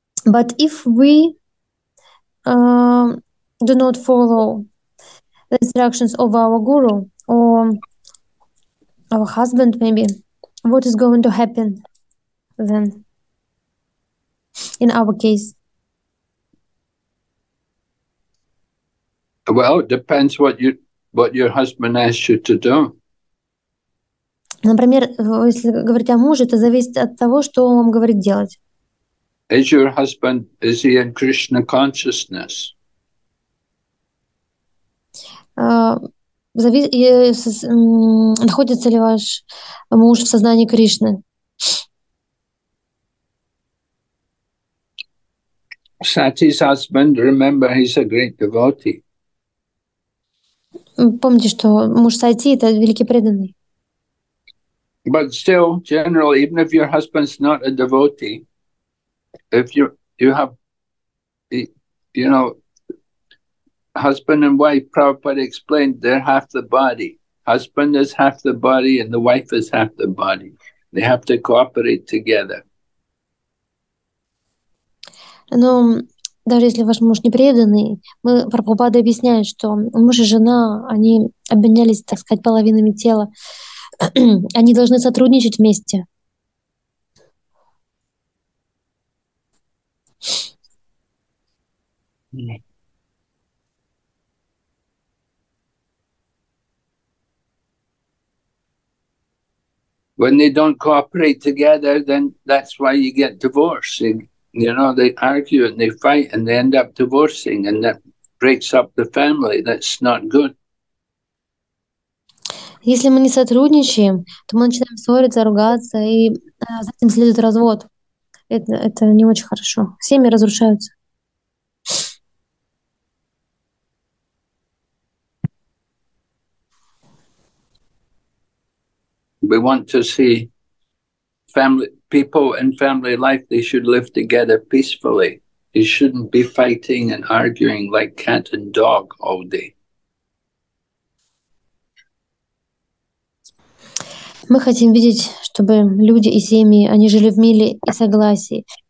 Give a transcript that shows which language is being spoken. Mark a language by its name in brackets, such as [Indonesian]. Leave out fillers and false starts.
[English] But if we do not follow the instructions of our guru or our husband, maybe, what is going to happen then in our case? Well, it depends what your husband asks you to do. [Russian] Например, если говорить о муже, это зависит от того, что он вам говорит делать. [English] Is your husband, is he in Krishna consciousness? [Russian] Находится ли ваш муж в сознании Кришны? [English] Sati's husband, remember, he's a great devotee. [Russian] Помните, что муж Сати — это великий преданный. [English] But still, generally, even if your husband's not a devotee, if you have, you know, husband and wife, Prabhupada explained, they're half the body. Husband is half the body and the wife is half the body. They have to cooperate together. [Russian] Но даже если ваш муж не преданный, мы Прабхупада объясняем, что муж и жена, они обменялись, так сказать, половинами тела. Они должны сотрудничать вместе. [English] When they don't cooperate together, then that's why you get divorced. You know, they argue and they fight and they end up divorcing, and that breaks up the family. That's not good. [Russian] Если мы не сотрудничаем, то мы начинаем ссориться, ругаться, и за этим следует развод. Это не очень хорошо. Семьи разрушаются. [English] We want to see family people in family life, they should live together peacefully. They shouldn't be fighting and arguing like cat and dog all day. [Russian] Мы хотим видеть, чтобы люди и семьи, они жили в мире и согласии.